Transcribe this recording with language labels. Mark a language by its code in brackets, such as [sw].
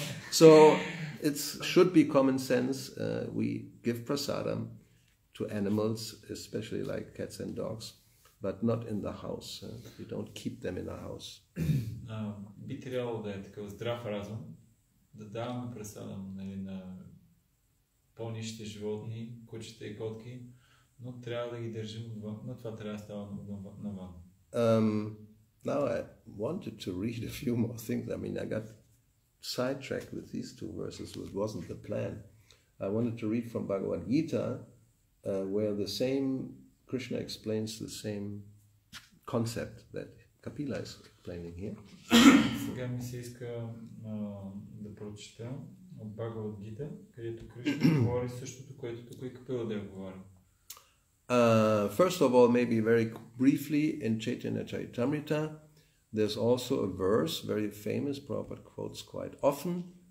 [en] So it should be common sense. We give prasadam to animals, especially like cats and dogs, but not in the house. We don't keep them in the house. [bg] Би трябвало да е такъв здрав разум, да даваме прасадам на по-нищите животни, кучета и котки, но трябва да ги държим отвън, но това трябва да става навън. [en] Now I wanted to read a few more things. I mean, I got sidetracked with these two verses, which wasn't the plan. I wanted to read from Bhagavad Gita, where the same Krishna explains the same concept that Kapila is explaining here. [bg] Сега ми се иска да прочета от Бхагавад Гита, където Кришна говори същото, което тук и Капила да говори. [en] First of all, maybe very briefly, in Chaitanya Charitamrita, there's also a verse, very famous, Prabhupada quotes quite often.